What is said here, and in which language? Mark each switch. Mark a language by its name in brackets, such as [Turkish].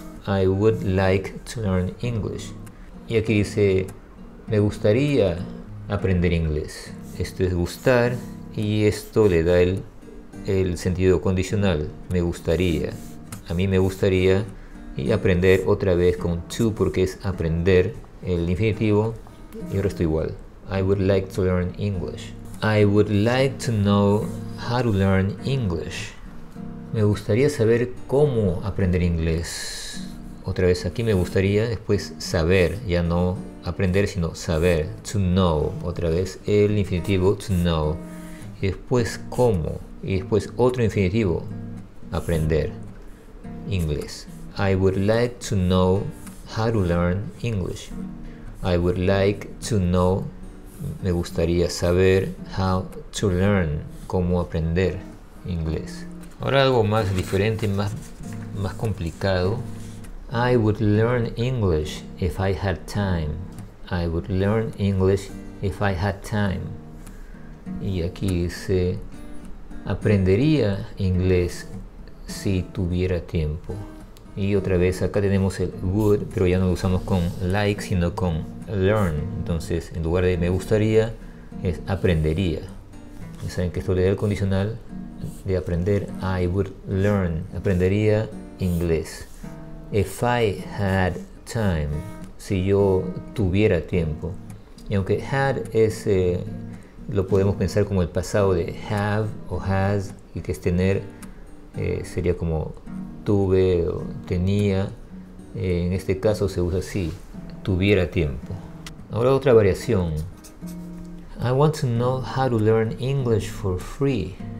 [English] I would like to learn English. [Spanish] Y aquí dice me gustaría aprender inglés. Esto es gustar y esto le da el sentido condicional. Me gustaría. A mí me gustaría. Y aprender otra vez con to porque es aprender el infinitivo. Y el resto igual. [English] I would like to learn English. I would like to know how to learn English. [Spanish] Me gustaría saber cómo aprender inglés. Otra vez aquí me gustaría después saber, ya no aprender, sino saber, to know, otra vez el infinitivo, to know, y después cómo, y después otro infinitivo, aprender inglés. [English] I would like to know how to learn English. I would like to know, [Spanish] me gustaría saber [English] how to learn, [Spanish] cómo aprender inglés. Ahora algo más diferente, más complicado. [English] I would learn English if I had time. I would learn English if I had time. [Spanish] Y aquí dice, aprendería inglés si tuviera tiempo. Y otra vez, acá tenemos el would, pero ya no lo usamos con like, sino con learn. Entonces, en lugar de me gustaría, es aprendería. Ya saben que esto le da el condicional de aprender. [English] I would learn. [Spanish] Aprendería inglés. [English] If I had time. [Spanish] Si yo tuviera tiempo. Y aunque had es, lo podemos pensar como el pasado de have o has, y que es tener, sería como tuve o tenía. En este caso se usa así, tuviera tiempo. Ahora otra variación. [English] I want to know how to learn English for free.